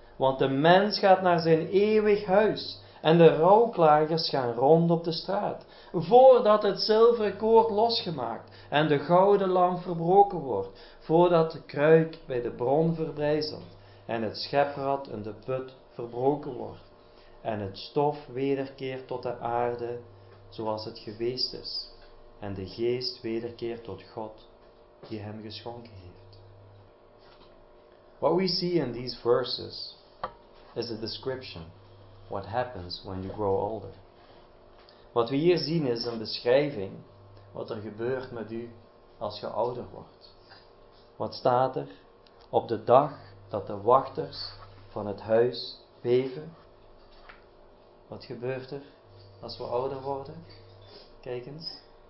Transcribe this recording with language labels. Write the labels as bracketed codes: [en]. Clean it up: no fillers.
[nl] Want de mens gaat naar zijn eeuwig huis en de rouwklagers gaan rond op de straat, voordat het zilveren koord losgemaakt en de gouden lamp verbroken wordt, voordat de kruik bij de bron verbrijzelt en het scheprad in de put verbroken wordt en het stof wederkeert tot de aarde zoals het geweest is en de geest wederkeert tot God die hem geschonken heeft. [en] What we see in these verses is a description what happens when you grow older. [nl] Wat we hier zien is een beschrijving wat er gebeurt met u als je ouder wordt. Wat staat er? Op de dag dat de wachters van het huis beven. Wat gebeurt er als we ouder worden? Kijk eens.